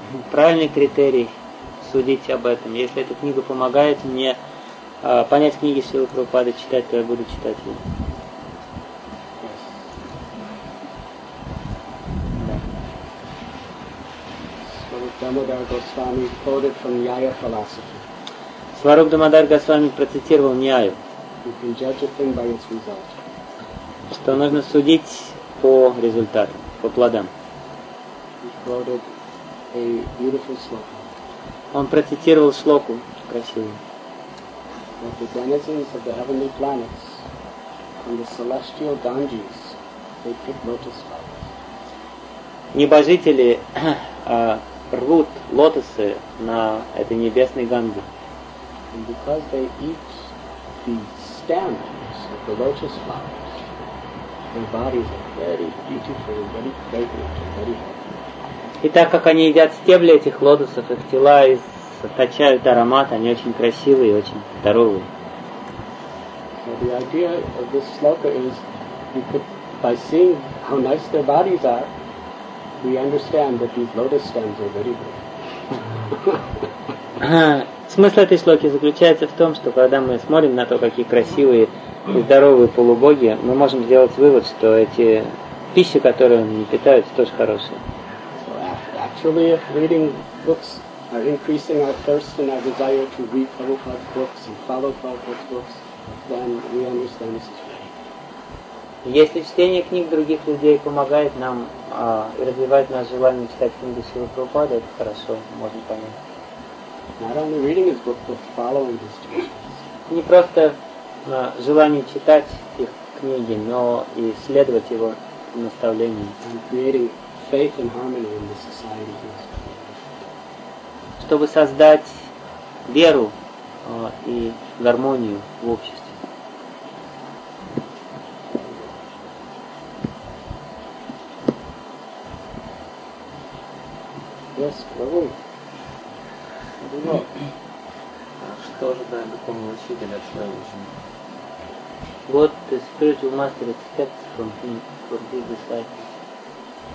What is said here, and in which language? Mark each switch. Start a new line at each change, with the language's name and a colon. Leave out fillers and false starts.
Russian: Правильный критерий судить об этом. Если эта книга помогает мне понять книги Шрилы Прабхупады читать, то я буду читать ее.
English: Дамодар Госвами quoted from Nyaya philosophy.
Russian: Сварупа Дамодар Госвами процитировал Ньяю.
English: You can judge a thing by its result.
Russian: Что нужно судить по результату, по плодам.
English: He quoted a beautiful sloka.
Russian: Он процитировал шлоку красивую.
English: That the denizens of the heavenly planets and the celestial Ganges, they pick lotus flowers.
Russian: Небожители рвут лотосы на этой небесной Ганге.
English: And because they eat the stems of the lotus flowers, their bodies are very beautiful, very fragrant, and very healthy.
Russian: И так как они едят стебли этих лотосов, их тела источают аромат, они очень красивые и очень здоровые.
English: So the idea of this sloka is, you could, by seeing how nice their bodies are, we understand that these lotus stems are very good.
Russian: Смысл этой шлоки заключается в том, что когда мы смотрим на то, какие красивые и здоровые полубоги, мы можем сделать вывод, что эти пищи, которые они питают, тоже хорошие.
English: Actually, if reading books are increasing our thirst and our desire to read Prabhupada's books and follow Prabhupada's books, then we understand this is right.
Russian: Если чтение книг других людей помогает нам развивать наше желание читать книги Шрилы Прабхупады, это хорошо, можно понять.
English: Not only reading his book, but following his teachings.
Russian: Не просто желание читать их книги, но и следовать его наставлениям.
English: Faith and harmony in the society.
Russian: Чтобы создать веру и гармонию в обществе.
English: Yes, Prabhu.
Russian: Что ожидаем духовного учителя от своего ученика?
English: What the spiritual master expects from him, from his disciples?